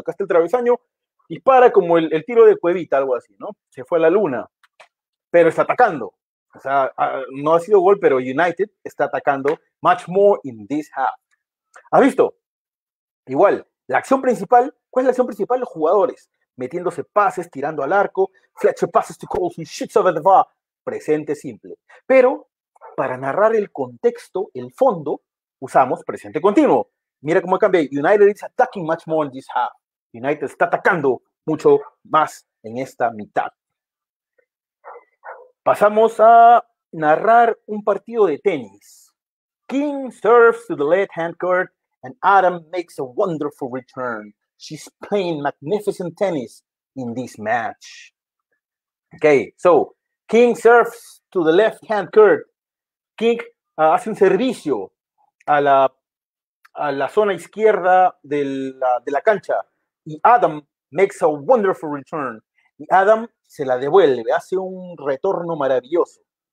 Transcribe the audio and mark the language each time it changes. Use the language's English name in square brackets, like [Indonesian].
[Spanish] Acá está el travesaño, dispara como el tiro de cuevita, algo así, ¿no? Se fue a la luna, pero está atacando. O sea, no ha sido gol, pero United está atacando [English] much more in this half. [Spanish] ¿Has visto? Igual, la acción principal, ¿cuál es la acción principal? Los jugadores, metiéndose pases, tirando al arco. [English] Fletcher passes to Coles, who shoots over the bar. [Spanish] Presente simple. Pero, para narrar el contexto, el fondo, usamos presente continuo. Mira cómo cambia. [English] United is attacking much more in this half. [Spanish] United está atacando mucho más en esta mitad. Pasamos a narrar un partido de tenis. [English] King serves to the left hand court and Adam makes a wonderful return. She's playing magnificent tennis in this match. Okay, so King serves to the left hand court. [Spanish] King hace un servicio a la zona izquierda de la cancha y Adam [English] makes a wonderful return. [Spanish] Y Adam se la devuelve, hace un retorno maravilloso.